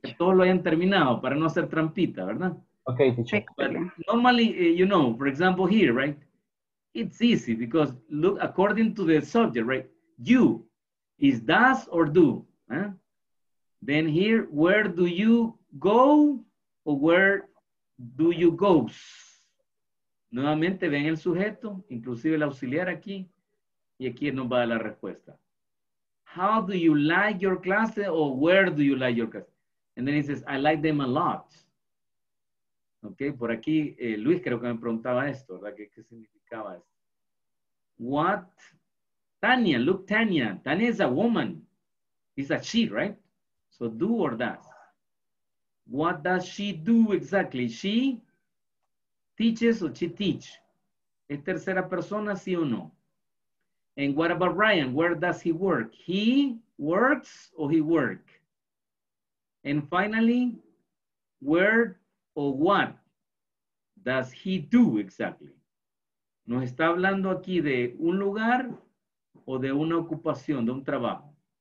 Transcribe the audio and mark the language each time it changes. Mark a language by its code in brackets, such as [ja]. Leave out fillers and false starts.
[es] Que todos lo hayan terminado para no hacer trampita, ¿verdad? [en] Ok, teacher. But normally, you know, for example, here, right? It's easy because, look, according to the subject, right? You, is does or do? Huh? Then here, where do you go or where do you go? [es] Nuevamente, ven el sujeto, inclusive el auxiliar aquí. Y aquí nos va a dar la respuesta. [en] How do you like your classes or where do you like your classes? And then he says, I like them a lot. [es] Okay, por aquí, Luis creo que me preguntaba esto, ¿verdad? ¿Qué significaba esto? [en] What? Tania, look, Tania. Tania is a woman. It's a she, right? So do or does. What does she do exactly? She teaches or she teach? [es] ¿Es tercera persona, sí o no? [en] And what about Ryan? Where does he work? He works or he work? And finally, where or what does he do exactly? [es] Nos está hablando aquí de un lugar o de una ocupación, de un trabajo.